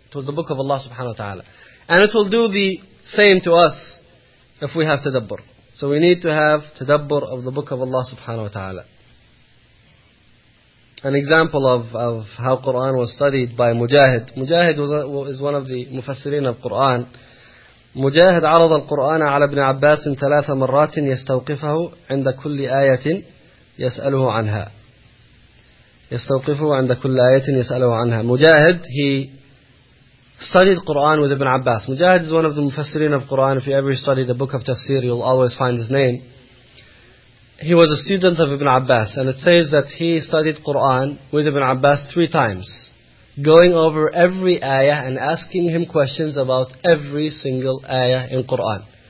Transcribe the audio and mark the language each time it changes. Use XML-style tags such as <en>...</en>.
<en>It was the book of Allah subhanahu wa ta'ala. And it will do the same to us if we have tadabbur. So we need to have tadabbur of the book of Allah subhanahu wa ta'ala. An example of how Qur'an was studied by Mujahid. Mujahid is one of the mufassirin of Qur'an.</en> <ar>Mujahid عرض القرآن على ابن عباس ثلاث مرات يستوقفه عند كل آية يسأله عنها. يستوقفه عند كل آية يسأله عنها.</ar> <en>Mujahid, he studied Qur'an with ibn Abbas. Mujahid is one of the mufassirin of Qur'an. If you ever study the book of tafsir, you'll always find his name. He was a student of Ibn Abbas, and it says that he studied Qur'an with Ibn Abbas three times, going over every ayah and asking him questions about every single ayah in Qur'an.</en>